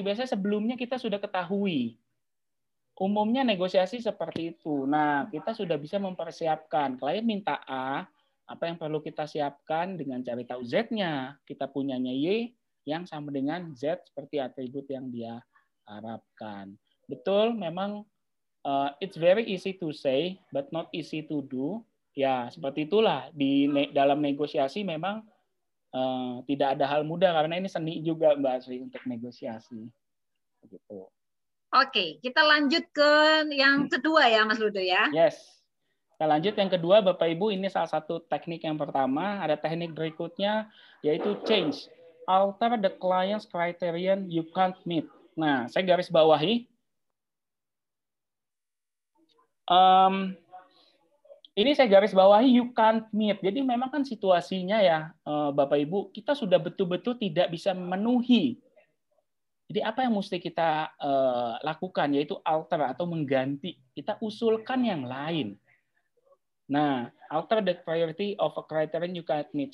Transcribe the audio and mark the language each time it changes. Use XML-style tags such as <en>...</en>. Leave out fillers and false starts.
<id>Biasanya sebelumnya kita sudah ketahui. Umumnya negosiasi seperti itu. Nah, kita sudah bisa mempersiapkan. Klien minta A, apa yang perlu kita siapkan dengan cari tahu Z-nya. Kita punyanya Y yang sama dengan Z seperti atribut yang dia harapkan. Betul, memang</id> <en>it's very easy to say, but not easy to do.</en> <id>Ya, seperti itulah. Di dalam negosiasi memang tidak ada hal mudah, karena ini seni juga, Mbak Sri, untuk negosiasi. Begitu. Oke, kita lanjut ke yang kedua ya, Mas Ludo ya.</id> <en>Yes.</en> <id>Kita lanjut yang kedua, Bapak Ibu, ini salah satu teknik yang pertama. Ada teknik berikutnya, yaitu change.</id> <en>Alter the client's criterion you can't meet.</en> <id>Nah, saya garis bawahi. Ini saya garis bawahi,</id> <en>you can't meet.</en> <id>Jadi memang kan situasinya ya, Bapak Ibu, kita sudah betul-betul tidak bisa memenuhi. Jadi apa yang mesti kita lakukan? Yaitu alter atau mengganti. Kita usulkan yang lain.</id> <en>Nah, alter the priority of a criterion you can't meet.</en>